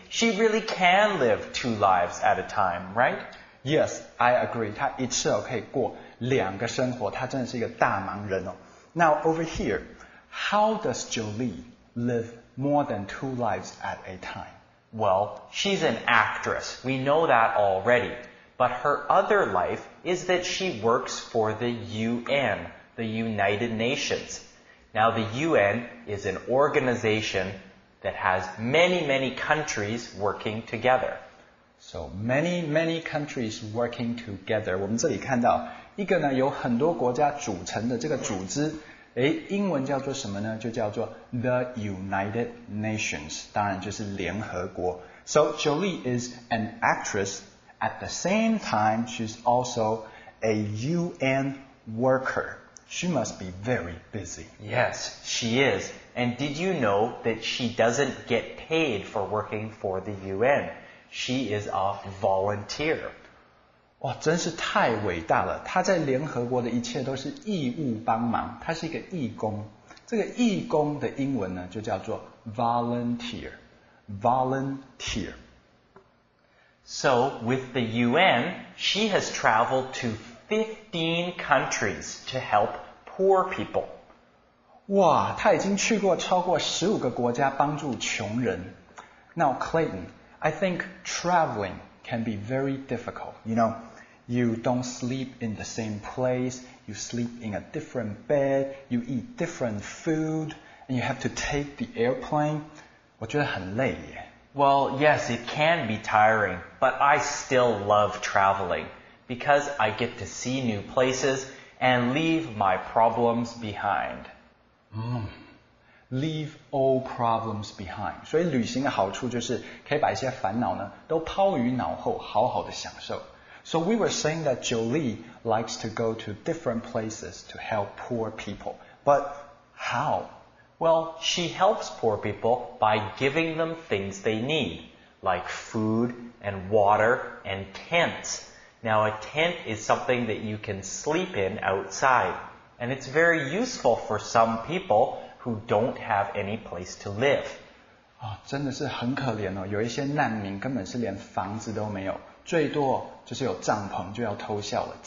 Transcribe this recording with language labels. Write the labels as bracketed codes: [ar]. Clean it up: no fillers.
[en] She really can live 2 lives at a time, right? Yes, I agree. [zh] 她一次可以过。 2个生活，她真的是一个大忙人哦。 [en] Now, over here, how does Jolie live more than 2 lives at a time? Well, she's an actress. We know that already. But her other life is that she works for the UN, the United Nations. Now, the UN is an organization that has many, many countries working together. So many, many countries working together. [zh] 我们这里看到一个呢，有很多国家组成的这个组织，诶，英文叫做什么呢？就叫做 The United Nations， 当然就是联合国。 [en] So Jolie is an actress. At the same time, she's also a UN worker. She must be very busy. Yes, she is. And did you know that she doesn't get paid for working for the UN? She is a volunteer. [zh] 哇，真是太伟大了！她在联合国的一切都是义务帮忙，她是一个义工。这个义工的英文呢，就叫做 volunteer。 [en] Volunteer. So, with the UN, she has traveled to 15 countries to help poor people. [zh] 哇，她已经去过超过15个国家帮助穷人。 [en] Now, Clayton, I think traveling can be very difficult. You know, you don't sleep in the same place, you sleep in a different bed, you eat different food, and you have to take the airplane. [zh] 我觉得很累耶。 [en] Well, yes, it can be tiring, but I still love traveling because I get to see new places and leave my problems behind. Leave all problems behind. [zh] 所以旅行的好处就是可以把一些烦恼呢都抛于脑后，好好的享受。 [en] So we were saying that Jolie likes to go to different places to help poor people. But how? Well, she helps poor people by giving them things they need, like food and water and tents. Now, a tent is something that you can sleep in outside, and it's very useful for some people who don't have any place to live. [zh] 哦，真的是很可怜哦，有一些难民根本是连房子都没有，最多就是有帐篷就要偷笑了。